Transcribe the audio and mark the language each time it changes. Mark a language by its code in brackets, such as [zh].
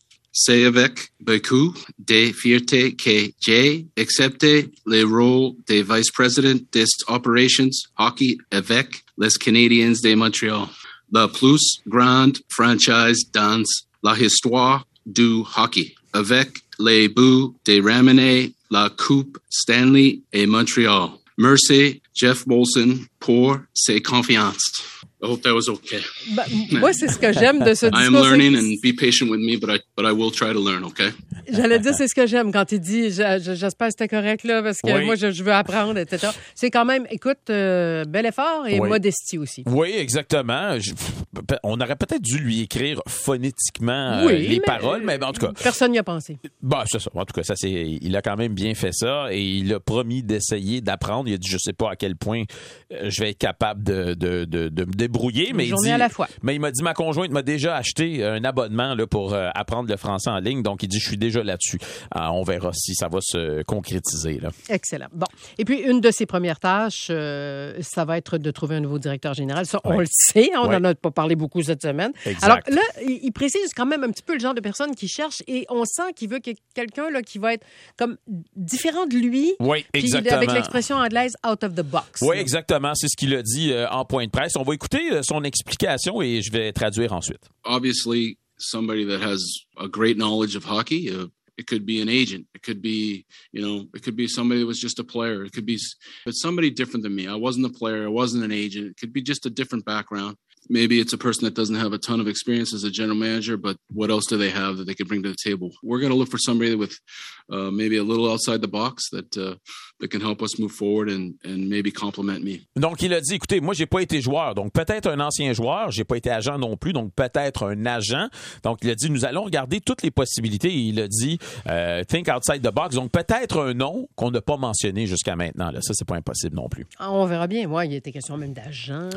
[fr] C'est avec beaucoup de fierté que j'ai accepté le rôle de vice-président des opérations hockey avec les Canadiens de Montréal, la plus grande franchise dans la histoire du hockey, avec le but de ramener la Coupe Stanley à Montréal. Merci, Jeff Molson, pour sa confiance. [en] I hope that was okay. [fr] Moi, c'est ce que j'aime de ce discours. [en] I am learning and be patient with me, but I will try to learn, okay? [fr] J'allais dire, c'est ce que j'aime quand il dit, j'espère que c'était correct, là, parce que moi, je veux apprendre, etc. C'est quand même, bel effort et modestie aussi. Oui, exactement. On aurait peut-être dû lui écrire phonétiquement les paroles, mais en tout cas. Personne n'y a pensé. C'est ça. En tout cas, il a quand même bien fait ça et il a promis d'essayer d'apprendre. Il a dit, je ne sais pas à quel point je vais être capable de me débrouiller. Mais journée à la fois. Mais il m'a dit, ma conjointe m'a déjà acheté un abonnement là, pour apprendre le français en ligne. Donc, il dit, je suis déjà là-dessus. On verra si ça va se concrétiser. Là. Excellent. Bon. Et puis, une de ses premières tâches, ça va être de trouver un nouveau directeur général. Ça, on le sait. On en a pas parlé beaucoup cette semaine. Exact. Alors là, il précise quand même un petit peu le genre de personne qu'il cherche et on sent qu'il veut quelqu'un là, qui va être comme différent de lui. Oui, exactement. Avec l'expression anglaise « out of the box ». Oui, exactement. C'est ce qu'il a dit en point de presse. On va écouter son explication et je vais traduire ensuite. [en] Obviously, somebody that has a great knowledge of hockey, it could be an agent. It could be, you know, it could be somebody that was just a player. It could be but somebody different than me. I wasn't a player. I wasn't an agent. It could be just a different background. Maybe it's a person that doesn't have a ton of experience as a general manager, but what else do they have that they could bring to the table? We're going to look for somebody with maybe a little outside the box that can help us move forward and maybe complement me. [fr] Donc, il a dit, écoutez, moi, j'ai pas été joueur, donc peut-être un ancien joueur. J'ai pas été agent non plus, donc peut-être un agent. Donc, il a dit, nous allons regarder toutes les possibilités. Il a dit, [en] think outside the box. [fr] Donc, peut-être un nom qu'on n'a pas mentionné jusqu'à maintenant. Là. Ça, c'est pas impossible non plus. Ah, on verra bien. Moi, il était question même d'agent.